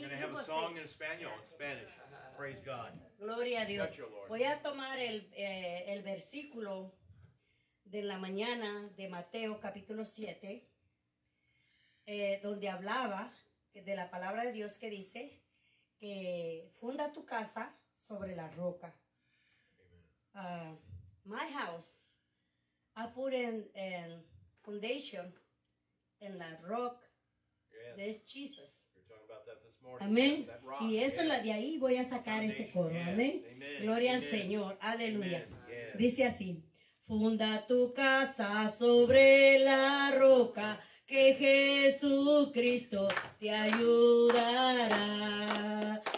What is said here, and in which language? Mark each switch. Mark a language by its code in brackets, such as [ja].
[en] we're going to have a song in Espanol, in Spanish. Praise God. [es] Gloria a Dios. [en] Got you, Lord. [es] Voy a tomar el versículo de la mañana de Mateo capítulo 7, donde hablaba de la palabra de Dios que dice que funda tu casa sobre la roca. [en] My house, I put in a foundation in the rock. Yes. This Jesus. [es] Amén. Y esa [en] yes. [es] la de ahí voy a sacar ese coro. [en] Yes. [es] Amén. Gloria [en] Amen. [es] Al Señor. Aleluya. [en] Yes. [es] Dice así. Funda tu casa sobre la roca, que Jesucristo te ayudará.